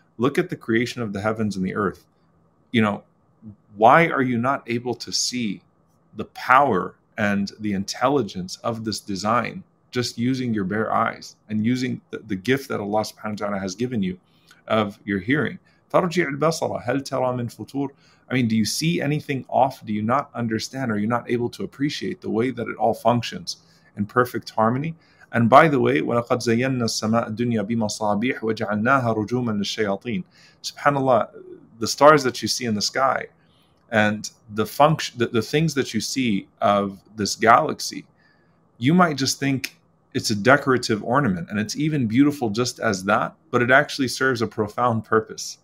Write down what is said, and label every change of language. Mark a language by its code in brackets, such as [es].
[en] Look at the creation of the heavens and the earth. You know, why are you not able to see the power and the intelligence of this design just using your bare eyes and using the gift that Allah subhanahu wa ta'ala has given you of your hearing? [ar] Tarji' al-basara, hal tara min futur? [en] I mean, do you see anything off? Do you not understand? Are you not able to appreciate the way that it all functions in perfect harmony? And by the way, [ar] وَلَقَدْ زَيَّنَّا السَّمَاءَ الدُّنْيَا بِمَصَابِيحُ وَجَعَلْنَاهَا رُجُومًا لِلشَّيَاطِينَ. [en] SubhanAllah, the stars that you see in the sky and the function, the things that you see of this galaxy, you might just think it's a decorative ornament and it's even beautiful just as that, but it actually serves a profound purpose.